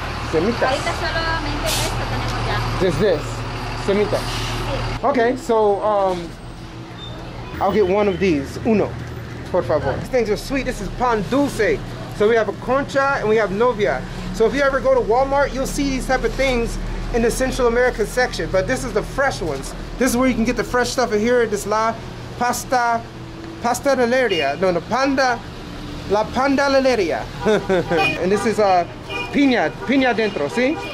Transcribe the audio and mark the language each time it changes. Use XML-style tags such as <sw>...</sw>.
<es>Solamente esto tenemos ya.</es> <en>Just this. Semita.</en> <es>Sí.</es> <en>Okay, so I'll get one of these.</en> <es>Uno, por favor.</es> <en>These things are sweet. This is pan dulce. So we have a concha and we have novia. So if you ever go to Walmart, you'll see these type of things in the Central American section, but this is the fresh ones. This is where you can get the fresh stuff in here. This</en> <es>la pasta, pastelería. No, no, panda, la pandalería.</es> <en>And this is a piña, piña dentro, see?</en>